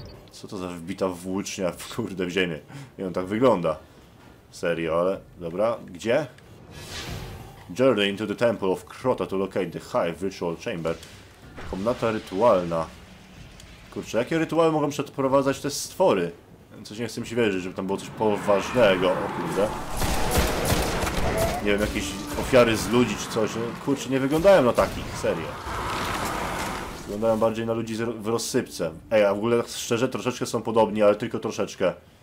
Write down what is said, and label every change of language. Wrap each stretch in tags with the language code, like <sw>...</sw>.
<pl>Co to za wbita włócznia w kurde w ziemię? I on tak wygląda. Serio, ale dobra, gdzie?</pl> <en>Journey into the Temple of Crota to locate the High Ritual Chamber.</en> <pl>Komnata rytualna. Kurczę, jakie rytuały mogą przeprowadzać te stwory? Coś nie chcę mi się wierzyć, żeby tam było coś poważnego. O kurde. Nie wiem, jakieś ofiary z ludzi czy coś. Kurczę, nie wyglądają na takich, serio. Wyglądają bardziej na ludzi w rozsypce. Ej, a w ogóle szczerze, troszeczkę są podobni, ale tylko troszeczkę.</pl>